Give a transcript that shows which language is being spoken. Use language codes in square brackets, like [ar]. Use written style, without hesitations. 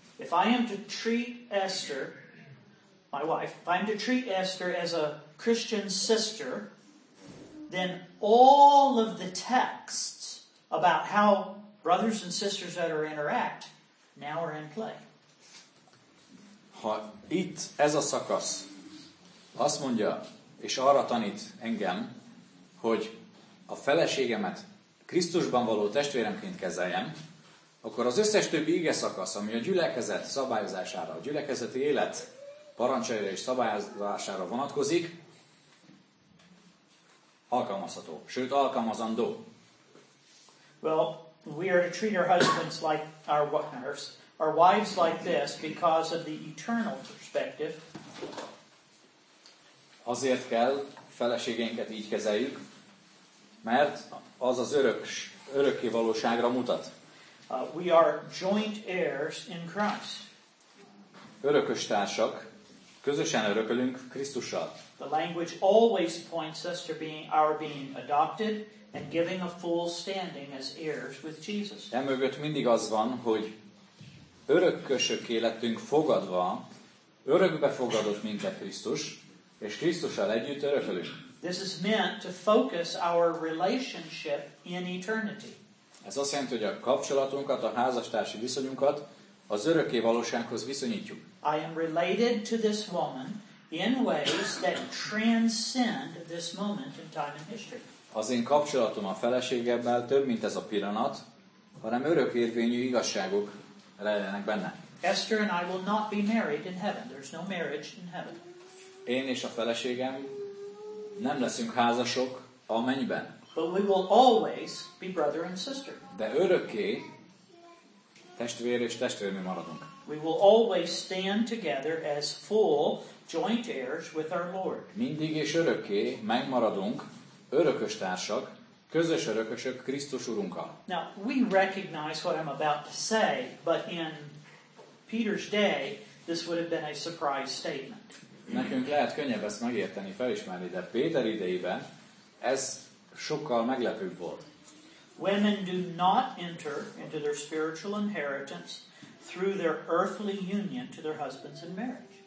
[en] If I am to treat Esther, my wife, if I am to treat Esther as a Christian sister, then all of the texts about how brothers and sisters that are interact now are in play. [hu] Ha itt ez a szakasz azt mondja, és arra tanít engem, hogy a feleségemet Krisztusban való testvéremként kezeljem, akkor az összes többi ige szakasz, ami a gyülekezet szabályozására, a gyülekezeti élet parancsaira és szabályozására vonatkozik, alkalmazható, sőt alkalmazandó. [en] Well, we are to treat our husbands like our wives. Our wives like this because of the eternal perspective. [hu] Azért kell feleségeinket így kezeljük, mert az az örökké valóságra mutat. [en] We are joint heirs in Christ. [hu] Örökös társak, közösen örökölünk Krisztussal. [en] The language always points us to being our being adopted and giving a full standing as heirs with Jesus. [hu] Emögött mindig az van, hogy örökkösökké lettünk fogadva, örökbe fogadott minket Krisztus, és Krisztussal együtt örökölünk. [en] This is meant to focus our relationship in eternity. [hu] Ez azt jelenti, hogy a kapcsolatunkat, a házastársi viszonyunkat az örökké valósághoz viszonyítjuk. [en] I am related to this woman in ways that transcend this moment in time and history. [hu] Az én kapcsolatom a feleségemmel több, mint ez a pillanat, hanem örökérvényű igazságok lejjenek benne. [en] Esther and I will not be married in heaven. There's no marriage in heaven. [hu] Én és a feleségem nem leszünk házasok a mennyben. [en] But we will always be brother and sister. [hu] De örökké testvér és testvérnő maradunk. [en] We will always stand together as full joint heirs with our Lord. [hu] Mindig és örökké megmaradunk örökös társak, közös örökösök Krisztus Urunkkal. [en] Now, we recognize what I'm about to say, but in Peter's day, this would have been a surprise statement. [hu] Nekünk lehet könnyebb ezt megérteni, felismerni, de Péter idejében ez sokkal meglepőbb volt. [en] Women do not enter into their spiritual inheritance through their earthly union to their husbands in marriage.